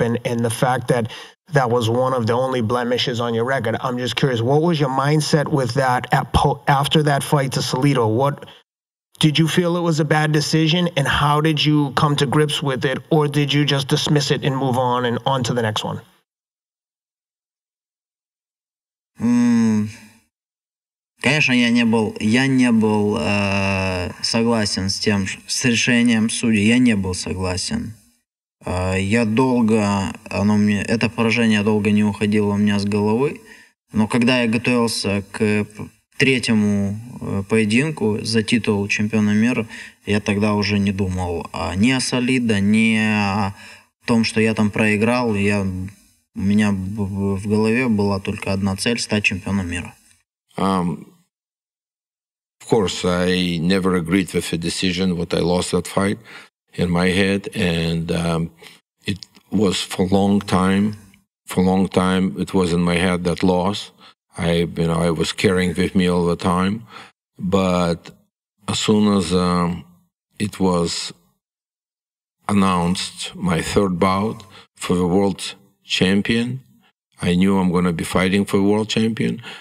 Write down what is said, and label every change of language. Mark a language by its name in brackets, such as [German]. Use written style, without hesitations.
[English] And the fact that that was one of the only blemishes on your record. I'm just curious, what was your mindset with that after that fight to Salido? What did you feel it was a bad decision? And how did you come to grips with it? Or did you just dismiss it and move on and on to the next one? [Russian] Конечно, я не был согласен с тем, с решением судьи. Я не был согласен. Это поражение долго не уходило у меня с головы. Но когда я готовился к третьему поединку за титул чемпиона мира, я тогда уже не думал ни о Солида, ни о том, что я там проиграл. У меня в голове была только одна цель – стать чемпионом мира. [English] Of course, I never agreed with the decision what I lost that fight in my head. And it was for a long time, it was in my head that loss. I was carrying with me all the time. But as soon as it was announced my third bout for the world champion, I knew I'm going to be fighting for world champion.